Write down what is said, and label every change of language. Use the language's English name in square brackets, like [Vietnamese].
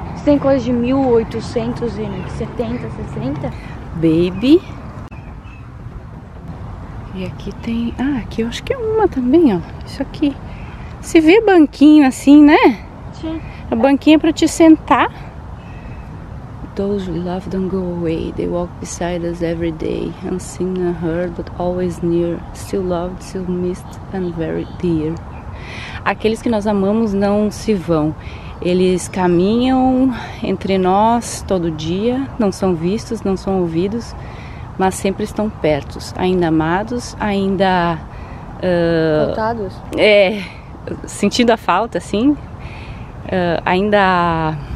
[Portuguese] Isso tem coisa de 1870, 60? [English] Baby. [Portuguese] E aqui tem... Ah, aqui eu acho que é uma também, ó. Isso aqui. Você vê banquinho assim, né? Sim. A banquinha é pra te sentar. [English] Those we love don't go away. They walk beside us every day. Unseen and heard, but always near. Still loved, still missed and very dear. [Portuguese] Aqueles que nós amamos não se vão. Eles caminham entre nós todo dia. Não são vistos, não são ouvidos, mas sempre estão perto. Ainda amados, ainda... voltados? É, sentindo a falta, sim. Ainda...